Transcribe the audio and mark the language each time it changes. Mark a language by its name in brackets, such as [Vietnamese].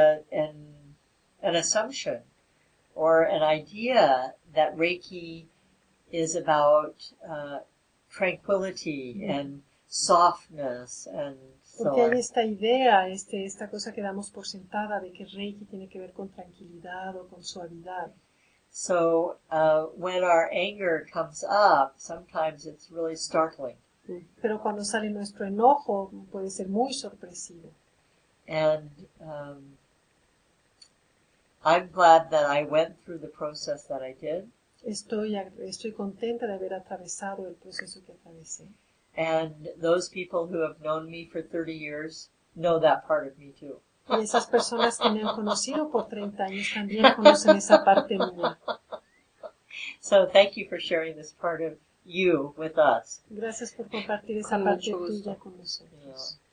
[English] there's an assumption or an idea that Reiki is about tranquility and softness and so on. [Spanish] Porque esta idea, esta cosa que damos por sentada de que Reiki tiene que ver con tranquilidad o con suavidad. [English] So when our anger comes up, sometimes it's really startling. [Spanish] Pero cuando sale nuestro enojo, puede ser muy sorpresivo. [English] And I'm glad that I went through the process that I did. [Spanish] Estoy contenta de haber atravesado el proceso que atravesé. [English] And those people who have known me for 30 years know that part of me too. [Spanish] Y esas personas que me han conocido por 30 años también conocen esa parte mía. [English] So thank you for sharing this part of you with us. [Spanish] Gracias por compartir esa con parte tuya con nosotros.